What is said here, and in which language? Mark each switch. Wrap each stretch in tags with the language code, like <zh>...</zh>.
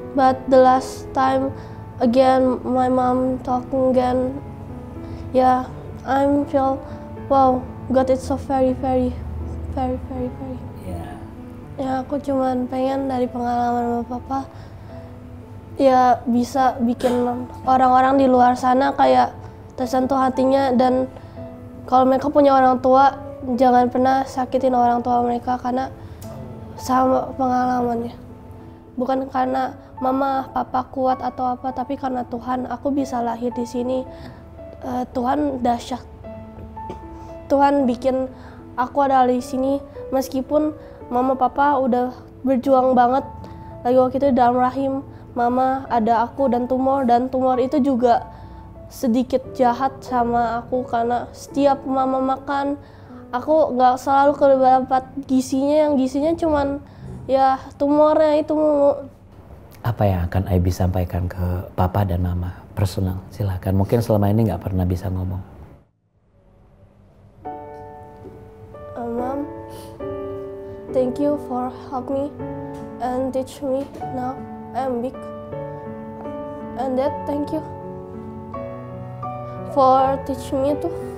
<en>But the last time, again, my mom talking again, yeah, I feel, wow, God, it's so very, very, very, very, very.</en> <id>Ya, aku cuma pengen dari pengalaman papa ya bisa bikin orang-orang di luar sana kayak tersentuh hatinya, dan kalau mereka punya orang tua, jangan pernah sakitin orang tua mereka karena sama pengalamannya. Bukan karena mama, papa kuat atau apa, tapi karena Tuhan, aku bisa lahir di sini. Tuhan dahsyat. Tuhan bikin aku ada di sini meskipun mama papa udah berjuang banget. Lagi waktu itu dalam rahim mama ada aku dan tumor itu juga sedikit jahat sama aku karena setiap mama makan aku nggak selalu kedapat gizinya, yang gizinya cuman ya tumornya itu. Apa yang akan Abby sampaikan ke papa dan mama personal? Silahkan, mungkin selama ini nggak pernah bisa ngomong.</id> <en>Thank you for help me and teach me now I am big. And that thank you for teach me too.</en>